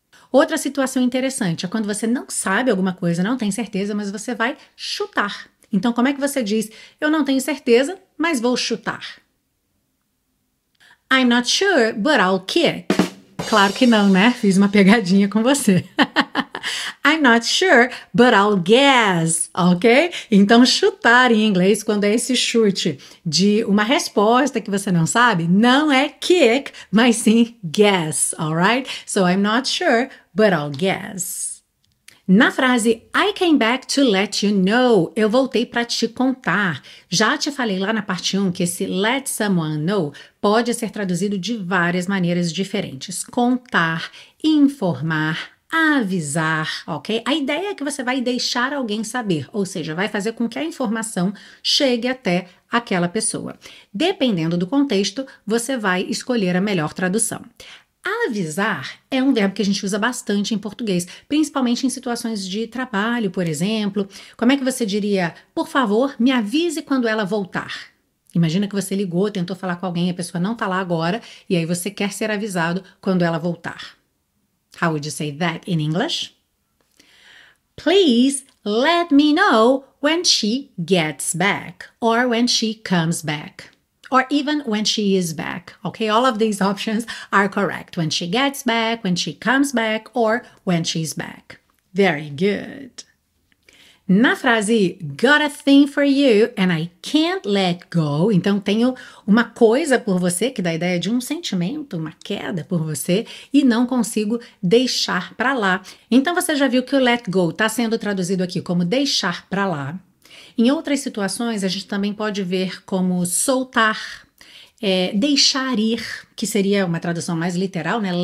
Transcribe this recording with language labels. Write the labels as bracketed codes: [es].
[pt] Outra situação interessante é quando você não sabe alguma coisa, não tem certeza, mas você vai chutar. Então, como é que você diz, eu não tenho certeza, mas vou chutar? [en] I'm not sure, but I'll kick. [pt] Claro que não, né? Fiz uma pegadinha com você. [en] I'm not sure, but I'll guess, ok? [pt] Então, chutar em inglês, quando é esse chute de uma resposta que você não sabe, não é kick, mas sim guess, alright? [en] So, I'm not sure, but I'll guess. [pt] Na frase [en] I came back to let you know, [pt] eu voltei para te contar. Já te falei lá na parte 1 que esse [en] let someone know [pt] pode ser traduzido de várias maneiras diferentes. Contar, informar, avisar, ok? A ideia é que você vai deixar alguém saber, ou seja, vai fazer com que a informação chegue até aquela pessoa. Dependendo do contexto, você vai escolher a melhor tradução. Avisar é um verbo que a gente usa bastante em português, principalmente em situações de trabalho, por exemplo. Como é que você diria, por favor, me avise quando ela voltar? Imagina que você ligou, tentou falar com alguém, a pessoa não está lá agora, e aí você quer ser avisado quando ela voltar. [en] How would you say that in English? Please let me know when she gets back, or when she comes back, or even when she is back. Okay, all of these options are correct. When she gets back, when she comes back, or when she's back. Very good. [pt] Na frase, [en] got a thing for you and I can't let go. [pt] Então, tenho uma coisa por você, que dá a ideia de um sentimento, uma queda por você, e não consigo deixar pra lá. Então, você já viu que o let go tá sendo traduzido aqui como deixar pra lá. Em outras situações, a gente também pode ver como soltar, deixar ir, que seria uma tradução mais literal, né?